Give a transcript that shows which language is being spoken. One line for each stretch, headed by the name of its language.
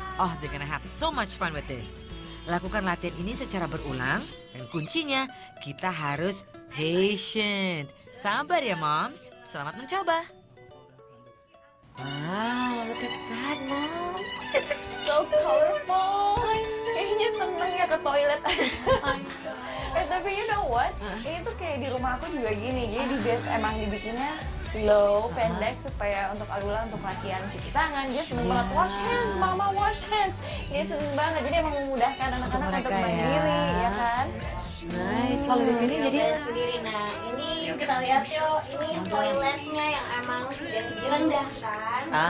English: Oh, they're gonna have so much fun with this.
Indonesian: Lakukan latihan ini secara berulang. Dan kuncinya, kita harus
English: patient.
Indonesian: Sabar ya moms, selamat mencoba.
English: Wow, look at that moms. This is so colorful.
Indonesian: Kayaknya senengnya ke toilet aja. Tapi
English: you know what?
Indonesian: Ini tuh kayak di rumah aku juga gini. Jadi emang dibikinnya low, pendek, supaya untuk alula untuk latihan cuci tangan. Dia seneng banget,
English: wash hands, mama wash hands.
Indonesian: Dia seneng banget, jadi emang memudahkan anak-anak untuk mandiri, ya kan?
English: Nice,
Indonesian: kalau di sini jadi sendiri. Nah, ini kita lihat yuk, ini toiletnya yang emang sudah direndahkan.